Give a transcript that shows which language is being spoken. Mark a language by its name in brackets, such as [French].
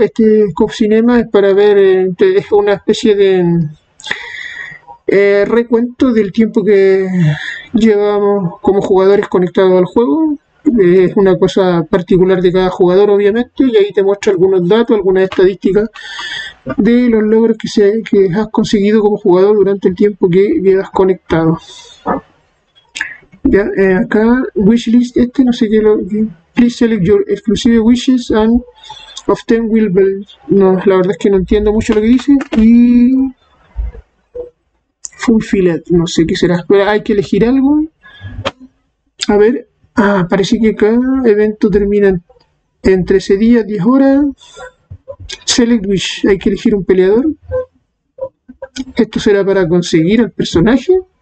[Spanish] Este Cop Cinema es para ver, es una especie de recuento del tiempo que llevamos como jugadores conectados al juego. Es una cosa particular de cada jugador, obviamente, y ahí te muestra algunos datos, algunas estadísticas de los logros que has conseguido como jugador durante el tiempo que llevas conectado. Ya, acá, Wishlist, este no sé qué lo... [English] Please select your exclusive wishes and obtain will bell. [Spanish] No, la verdad es que no entiendo mucho lo que dice. Y [English] fulfill it. [Spanish] No sé qué será. Pero hay que elegir algo. A ver. Ah, parece que acá evento termina en 13 días, 10 horas. [English] Select wish. [Spanish] Hay que elegir un peleador. Esto será para conseguir al personaje.